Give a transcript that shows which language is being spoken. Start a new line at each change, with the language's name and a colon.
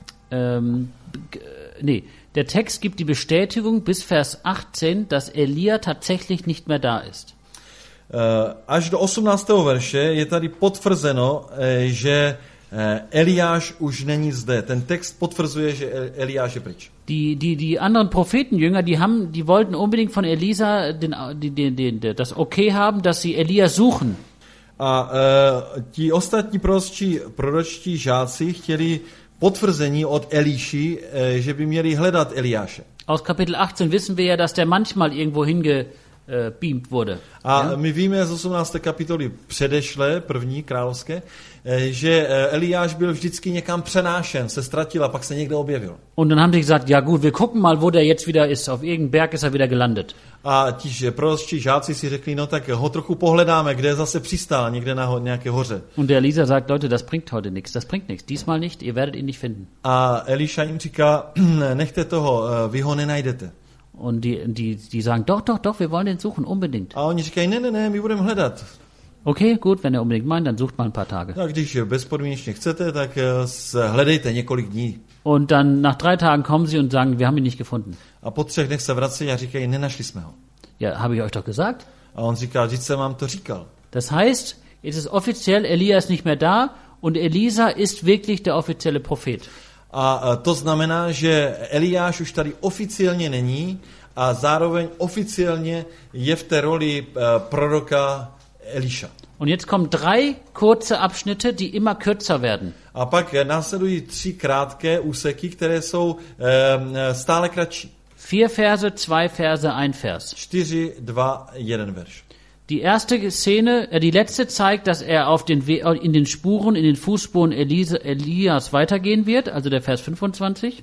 German: Der Text gibt die Bestätigung bis Vers 18, dass Elia tatsächlich nicht mehr da ist.
Czech: Až do 18. verše je tady potvrzeno, že Eliáš už není zde. Ten text potvrzuje, že Eliáš je pryč.
German: Die anderen Prophetenjünger, die wollten unbedingt von Elisa das okay haben, dass sie Elia suchen.
Czech: A ti ostatní proročtí žáci chtěli potvrzení od Eliši, že by měli hledat Eliáše.
German: Aus Kapitel 18 wissen wir ja, dass der manchmal irgendwo pímt wurde.
Czech: A ja? My víme z 18. kapitoly předešlé, první královské, že Eliáš byl vždycky někam přenášen, se ztratil a pak se někde objevil.
German: Und dann haben sie gesagt, ja gut, wir gucken mal, wo der jetzt wieder ist, auf irgendeinem Berg ist er wieder gelandet.
Czech: A ti proroční žáci si řekli, no tak ho trochu pohledáme, kde zase přistál, někde na nějaké hoře.
German: Und der Elisa sagt, Leute, das bringt heute nichts, das bringt nichts, diesmal nicht, ihr werdet ihn nicht finden.
Czech: A Eliáš jim říká, nechte toho, vy ho nenajdete.
German: Und die sagen, doch, wir wollen den suchen, unbedingt.
Czech: A oni říkají, ne, my budeme hledat.
German: Okay, gut, wenn ihr unbedingt meint, dann sucht mal ein paar Tage.
Czech: Tak když bezpodmínečně chcete, tak hledejte několik dní.
German: Und dann nach drei Tagen kommen sie und sagen, wir haben ihn nicht gefunden.
Czech: A po třech dnech se vracejí a říkají, nenašli jsme ho.
German: Ja, habe ich euch doch gesagt.
Czech: A on říká, vždyť jsem vám to říkal.
German: Das heißt, es ist offiziell, Elia ist nicht mehr da und Elisa ist wirklich der offizielle Prophet.
Czech: A to znamená, že Eliáš už tady oficiálně není a zároveň oficiálně je v té roli proroka Eliša.
German: Und jetzt kommen drei kurze Abschnitte, die immer kürzer werden.
Czech: A pak následují tři krátké úseky, které jsou stále kratší.
German: Vier Verse, zwei Verse, ein Vers.
Czech: 4, 2, 1 verš.
German: Die erste Szene, die letzte zeigt, dass er auf den in den Spuren, in den Fußspuren Elias weitergehen wird, also der Vers 25.